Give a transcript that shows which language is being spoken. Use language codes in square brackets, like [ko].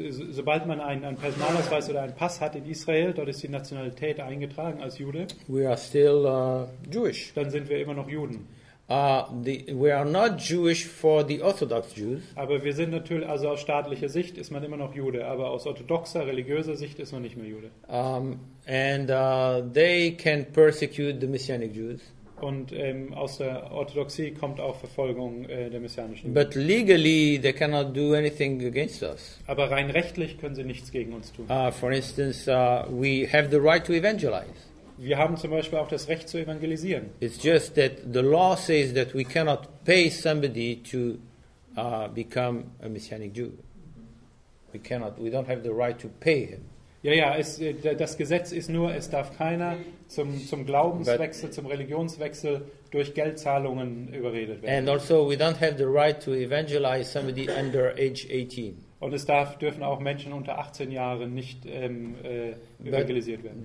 [de] Sobald man einen Personalausweis oder einen Pass hat in Israel, dort ist die Nationalität eingetragen als Jude. [en] We are still Jewish. [de] Dann sind wir immer noch Juden. [en] We are not Jewish for the Orthodox Jews. [de] Aber wir sind natürlich, also aus staatlicher Sicht ist man immer noch Jude, aber aus orthodoxer, religiöser Sicht ist man nicht mehr Jude. [en] They can persecute the Messianic Jews. [de] Und aus der Orthodoxie kommt auch Verfolgung der messianischen Juden. [en] But legally they cannot do anything against us. [de] Aber rein rechtlich können sie nichts gegen uns tun. [en] For instance, we have the right to evangelize. [de] Wir haben zum Beispiel auch das Recht zu evangelisieren. [en] It's just that the law says that we cannot pay somebody to become a messianic Jew. We cannot. We don't have the right to pay him. [de] Ja. Das Gesetz ist nur, es darf keiner zum Glaubenswechsel, zum Religionswechsel durch Geldzahlungen überredet werden. [en] And also, we don't have the right to evangelize somebody under age 18. [de] Und es dürfen auch Menschen unter 18 Jahren nicht evangelisiert werden.